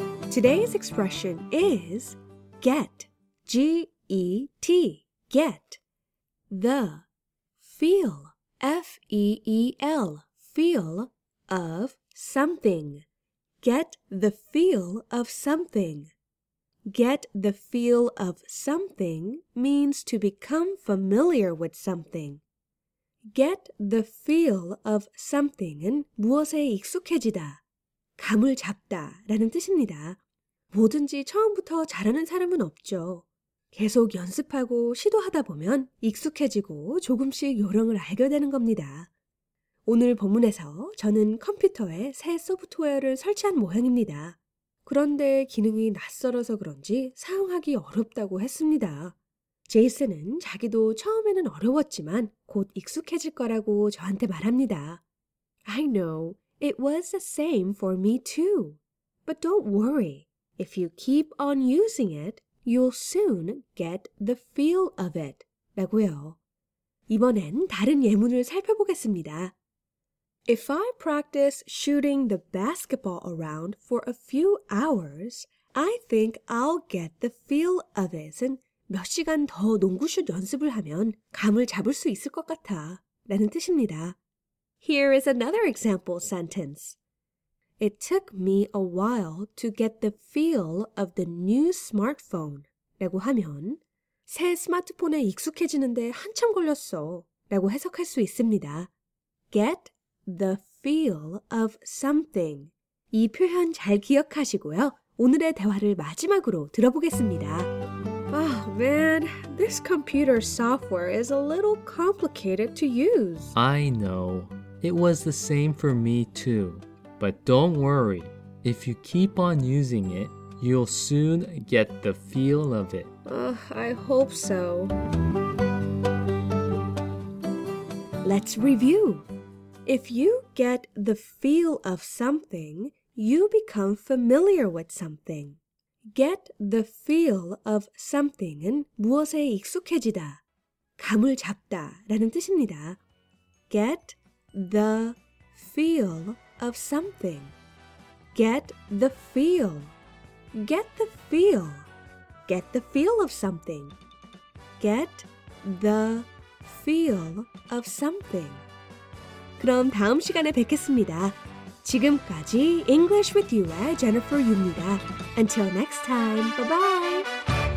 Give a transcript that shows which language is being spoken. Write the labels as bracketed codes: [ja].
[en] Today's expression is get, G-E-T, get, the, feel, F-E-E-L, feel of something, get the feel of something. Get the feel of something means to become familiar with something. Get the feel of something [ko] 은 무엇에 익숙해지다, 감을 잡다 라는 뜻입니다. 뭐든지 처음부터 잘하는 사람은 없죠. 계속 연습하고 시도하다 보면 익숙해지고 조금씩 요령을 알게 되는 겁니다. 오늘 본문에서 저는 컴퓨터에 새 소프트웨어를 설치한 모양입니다. 그런데 기능이 낯설어서 그런지 사용하기 어렵다고 했습니다. 제이슨은 자기도 처음에는 어려웠지만 곧 익숙해질 거라고 저한테 말합니다. [en] I know. It was the same for me too. But don't worry. If you keep on using it, you'll soon get the feel of it. [ko] 라고요. 이번엔 다른 예문을 살펴보겠습니다. [en] If I practice shooting the basketball around for a few hours, I think I'll get the feel of it은 [ko] 몇 시간 더 농구슛 연습을 하면 감을 잡을 수 있을 것 같아 라는 뜻입니다. [en] Here is another example sentence. It took me a while to get the feel of the new smartphone. [ko] 라고 하면 새 스마트폰에 익숙해지는데 한참 걸렸어 라고 해석할 수 있습니다. [en] Get the feel of something. [ko] 이 표현 잘 기억하시고요. 오늘의 대화를 마지막으로 들어보겠습니다. [en] Oh man, this computer software is a little complicated to use. I know. It was the same for me too. But don't worry. If you keep on using it, you'll soon get the feel of it. I hope so. Let's review. If you get the feel of something, you become familiar with something. Get the feel of something은 [ko] 무엇에 익숙해지다, 감을 잡다 라는 뜻입니다. [en] Get the feel of something. Get the feel. Get the feel. Get the feel of something. Get the feel of something. [ko] 그럼 다음 시간에 뵙겠습니다. 지금까지 English with You의 Jennifer Yu입니다. [en] Until next time, bye-bye!